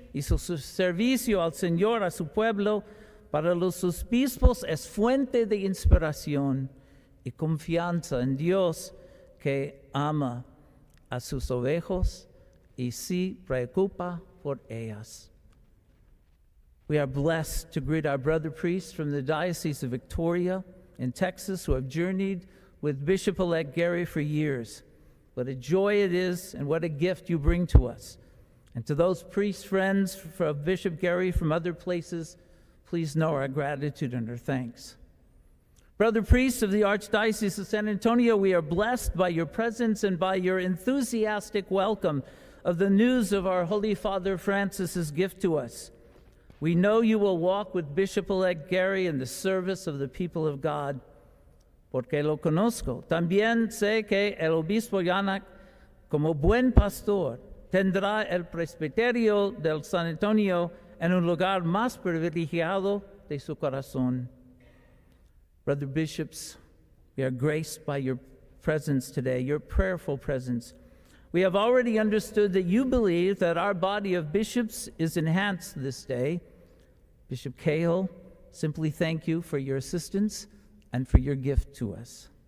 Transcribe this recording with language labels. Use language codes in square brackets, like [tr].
[es] y su servicio al Señor, a su pueblo, para los obispos es fuente de inspiración y confianza en Dios, que ama a sus ovejas y se preocupa por ellas. [en] We are blessed to greet our brother priests from the Diocese of Victoria in Texas who have journeyed with Bishop-elect Gary for years. What a joy it is and what a gift you bring to us. And to those priest friends of Bishop Gary from other places, please know our gratitude and our thanks. Brother priests of the Archdiocese of San Antonio, we are blessed by your presence and by your enthusiastic welcome of the news of our Holy Father Francis's gift to us. We know you will walk with Bishop-elect Gary in the service of the people of God. [es] Porque lo conozco. También sé que el obispo Janak, como buen pastor, tendrá el presbiterio del San Antonio en un lugar más privilegiado de su corazón. [en] Brother bishops, we are graced by your presence today, your prayerful presence. We have already understood that you believe that our body of bishops is enhanced this day. Bishop Cahill, simply thank you for your assistance and for your gift to us.